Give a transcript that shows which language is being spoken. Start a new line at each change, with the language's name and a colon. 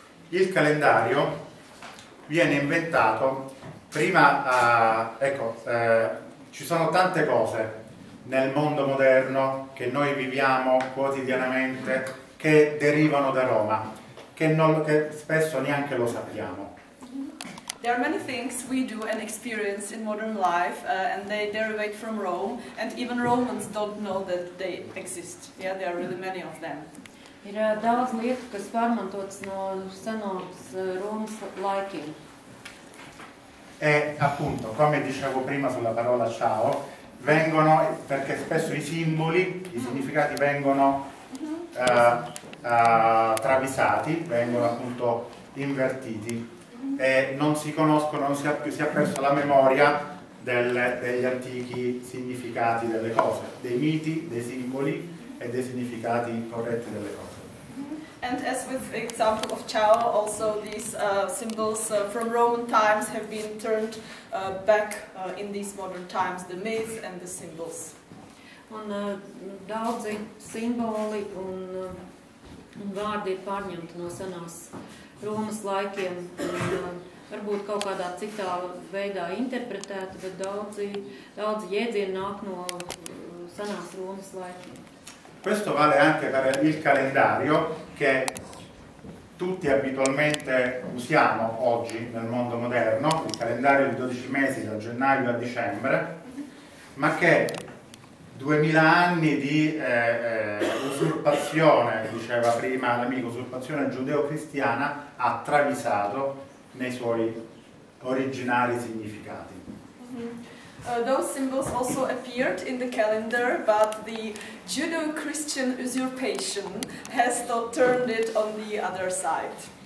Italian: Il calendario viene inventato prima, ci sono tante cose nel mondo moderno che noi viviamo quotidianamente che derivano da Roma, che spesso neanche lo sappiamo.
English: There are many things we do and experience in modern life and they derivate from Rome and even Romans don't know that they exist. Yeah, there are really many of them.
Latvian: Ir daudz lietu, kas pārmantotas no senos Romas laikiem.
Italian: E appunto, come dicevo prima sulla parola ciao, vengono, perché spesso i simboli, i significati vengono travisati, vengono appunto invertiti e non si conoscono, non si, si è persa la memoria degli antichi significati delle cose, dei miti, dei simboli e dei significati corretti delle cose.
English: And as with the example of Chao, also these symbols from Roman times have been turned back in these modern times, the myths and the symbols.
Latvian: Un daudzi simboli un vārdi ir pārņemti no senās Romas laikiem, varbūt kaut kādā citā veidā interpretēti, bet daudzi jēdzieni nāk no senās Romas laikiem.
Italian: Questo vale anche per il calendario che tutti abitualmente usiamo oggi nel mondo moderno, il calendario di 12 mesi da gennaio a dicembre, ma che 2000 anni di usurpazione, diceva prima l'amico, usurpazione giudeo-cristiana, ha travisato nei suoi originari significati.
English: Those symbols also appeared in the calendar, but the Judeo-Christian usurpation has turned it on the other side.